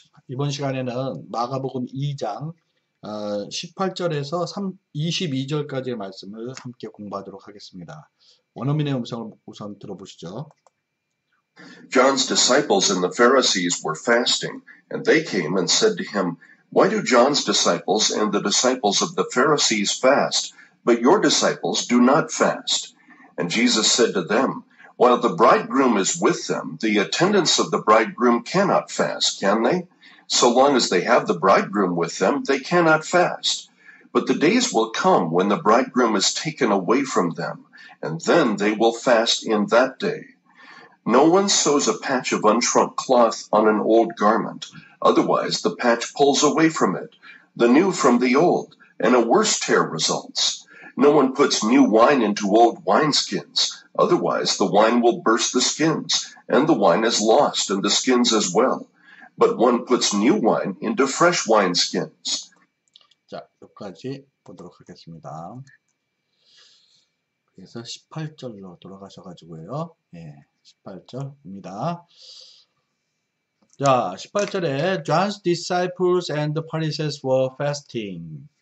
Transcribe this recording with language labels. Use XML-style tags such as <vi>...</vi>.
<ko>이번 시간에는 마가복음 2장 18절에서 22절까지의 말씀을 함께 공부하도록 하겠습니다. 원어민의 음성을 우선 들어보시죠.</ko> <en>John's disciples and the Pharisees were fasting, and they came and said to him, "Why do John's disciples and the disciples of the Pharisees fast, but your disciples do not fast?" And Jesus said to them, "While the bridegroom is with them, the attendants of the bridegroom cannot fast, can they? So long as they have the bridegroom with them, they cannot fast. But the days will come when the bridegroom is taken away from them, and then they will fast in that day. No one sews a patch of unshrunk cloth on an old garment. Otherwise, the patch pulls away from it, the new from the old, and a worse tear results. No one puts new wine into old wineskins. Otherwise, the wine will burst the skins, and the wine is lost, and the skins as well. But one puts new wine into fresh wineskins."</en> <ko>자, 여기까지 보도록 하겠습니다. 그래서 18절로 돌아가셔가지고요. 예, 18절입니다. 자, 18절에</ko> <en>John's disciples and the Pharisees were fasting.</en>